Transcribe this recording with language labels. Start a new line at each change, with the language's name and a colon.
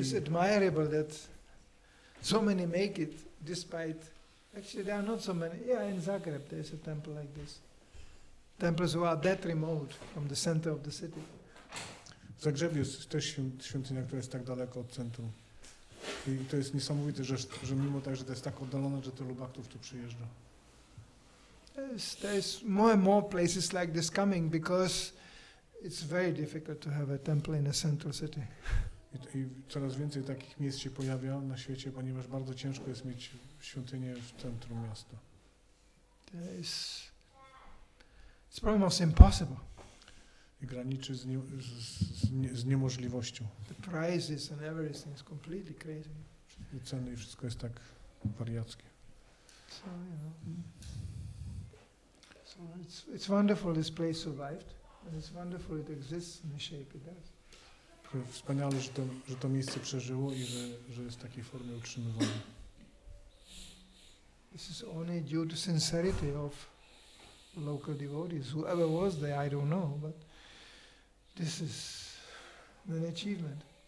English: It's admirable that so many make it, despite, actually there are not so many. Yeah, in Zagreb there's a temple like this. Temples who are that remote from the center of the city.
Polish: W Zagrzebiu jest też świątynia, która jest tak daleko od centrum. I to jest niesamowite, że mimo tak, że to jest tak oddalone, że to Lubaktów tu przyjeżdża.
English: There's more and more places like this coming because it's very difficult to have a temple in a central city.
Polish: I coraz więcej takich miejsc się pojawia na świecie, ponieważ bardzo ciężko jest mieć świątynię w centrum miasta.
English: It's probably most impossible.
Polish: I graniczy z niemożliwością.
English: The prices and everything is completely crazy.
Polish: I ceny i wszystko jest tak wariackie.
English: So, you know. So it's wonderful this place survived. And it's wonderful it exists in the shape it does.
Polish: Wspaniale, że to miejsce przeżyło i że jest w takiej formie utrzymywane.
English: This is only due to sincerity of local devotees. Whoever was there, I don't know, but this is an achievement.